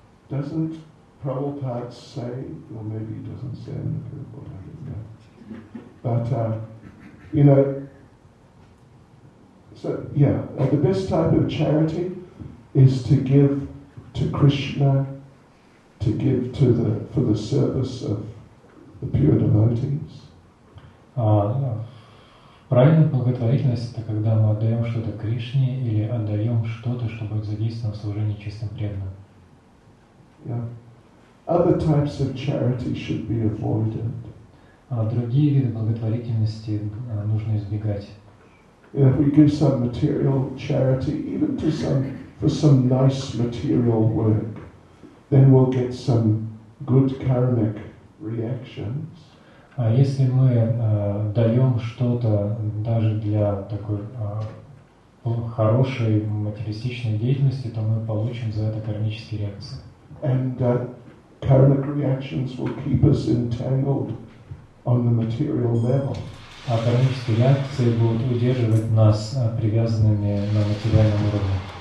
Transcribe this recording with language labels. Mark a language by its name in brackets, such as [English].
[English] Doesn't Prabhupada say, or maybe he doesn't say in the group, or I don't know. But, you know, so, yeah, the best type of charity is to give to Krishna, to give to the, for the service of the pure devotees. [Russian] Правильная благотворительность – это когда мы отдаем что-то Кришне или отдаем что-то, что будет задействовано в служении чистым преданным. [English] Other types of charity should be avoided. [Russian] Другие виды благотворительности нужно избегать. [English] If we give some material charity, even to some for some nice material work, then we'll get some good karmic reactions. [Russian] А если мы даем что-то даже для такой хорошей материалистичной деятельности, то мы получим за это кармические реакции. [English] And karmic reactions will keep us entangled on the material level. [Russian] А кармические реакции будут удерживать нас привязанными на материальном уровне.